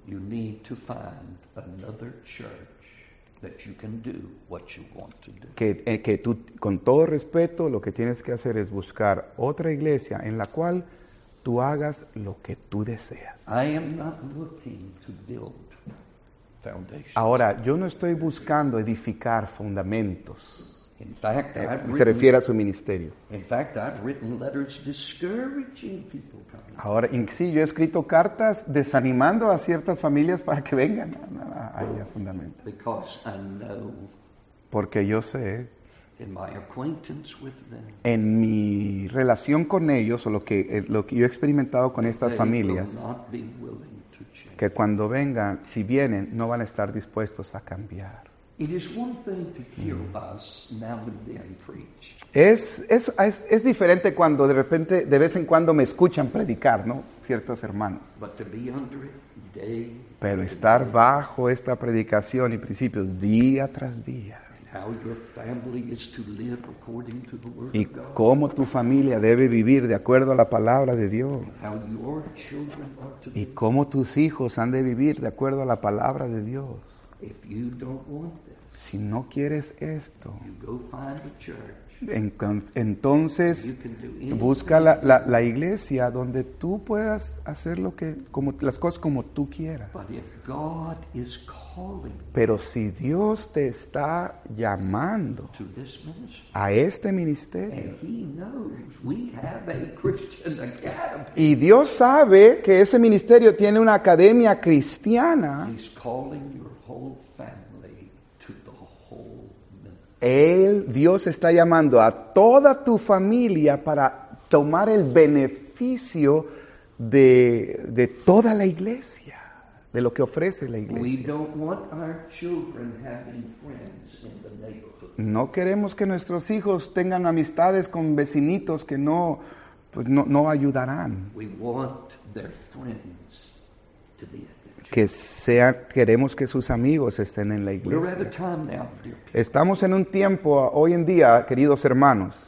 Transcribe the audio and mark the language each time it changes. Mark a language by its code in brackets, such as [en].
[en] you need to find another church that you can do what you want to do. [es] Que tú, con todo respeto, lo que tienes que hacer es buscar otra iglesia en la cual tú hagas lo que tú deseas. [en] I am not looking to build foundations. [es] Ahora, yo no estoy buscando edificar fundamentos. [en] In fact, [es] se refiere a su ministerio. [en] In fact, I've written letters discouraging people coming. [es] Ahora, sí, yo he escrito cartas desanimando a ciertas familias para que vengan a fundamentos. [en] Because I know, [es] porque yo sé, [en] in my acquaintance with them, [es] en mi relación con ellos, o lo que yo he experimentado con estas familias, [en] will not be willing to change. [es] Que cuando vengan, si vienen, no van a estar dispuestos a cambiar. [en] It is one thing to hear us now and then preach. [es] Es diferente cuando de repente, de vez en cuando me escuchan predicar, ¿no? Ciertos hermanos. [en] But to be under it day. [es] Pero estar bajo esta predicación y principios día tras día. [en] And how your family is to live according to the word of God. [es] Y cómo tu familia debe vivir de acuerdo a la palabra de Dios. [en] And how your children are to. [es] Y cómo tus hijos han de vivir de acuerdo a la palabra de Dios. [en] If you don't want this, [es] si no quieres esto, [en] you go find a church, [es] entonces [en] you can do anything, [es] busca la iglesia donde tú puedas hacer las cosas como tú quieras. [en] But if God is calling, [es] pero si Dios te está llamando [en] to this ministry, [es] a este ministerio, [en] and he knows we have a Christian academy, [es] y Dios sabe que ese ministerio tiene una academia cristiana, [en] he's calling you. Whole family to the whole ministry. [es] Dios está llamando a toda tu familia para tomar el beneficio de toda la iglesia, de lo que ofrece la iglesia. [en] We don't want our children having friends in the neighborhood. [es] No queremos que nuestros hijos tengan amistades con vecinitos que no ayudarán. [en] We want their friends to be [es] queremos que sus amigos estén en la iglesia. Estamos en un tiempo hoy en día, queridos hermanos,